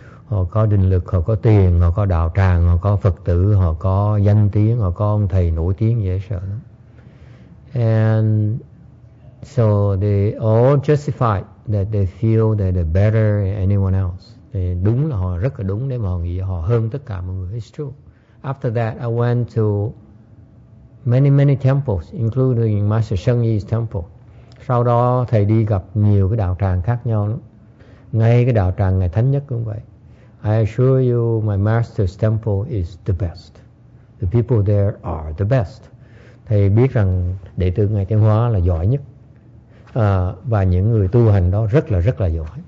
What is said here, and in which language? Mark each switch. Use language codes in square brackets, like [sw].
[vi] Họ có định lực, họ có tiền, họ có đạo tràng, họ có Phật tử, họ có danh tiếng, họ có ông thầy nổi tiếng dễ sợ lắm. [en] And so they all justify that they feel that they're better than anyone else. [vi] They, đúng là họ rất là đúng, nếu mà họ nghĩ họ hơn tất cả mọi người. [en] It's true. After that, I went to many, many temples, including Master Sheng Yi's temple. [vi] Sau đó, thầy đi gặp nhiều cái đạo tràng khác nhau lắm. Ngay cái đạo tràng ngày thánh nhất cũng vậy. [en] I assure you my master's temple is the best. The people there are the best. [vi] Thầy biết rằng đệ tử ngài Tiên Hóa là giỏi nhất. Và những người tu hành đó rất là giỏi.